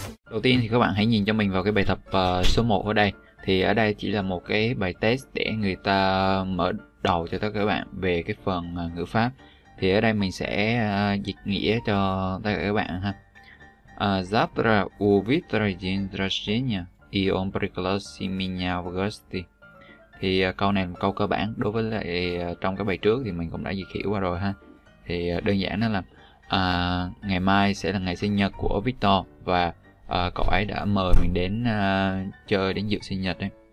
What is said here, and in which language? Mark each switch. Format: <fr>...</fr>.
<vi>Đầu tiên thì các bạn hãy nhìn cho mình vào cái bài tập số 1 ở đây. Thì ở đây chỉ là một cái bài test để người ta mở đầu cho tất cả các bạn về cái phần ngữ pháp. Thì ở đây mình sẽ dịch nghĩa cho tất cả các bạn ha.</vi> <ru>Завтра у Виктора день рождения, и он пригласил меня в гости.</ru> <vi>Thì câu này là câu cơ bản đối với lại trong cái bài trước thì mình cũng đã dịch hiểu qua rồi ha. Thì đơn giản đó là ngày mai sẽ là ngày sinh nhật của Victor và cậu ấy đã mời mình đến chơi đến dự sinh nhật đấy.</vi>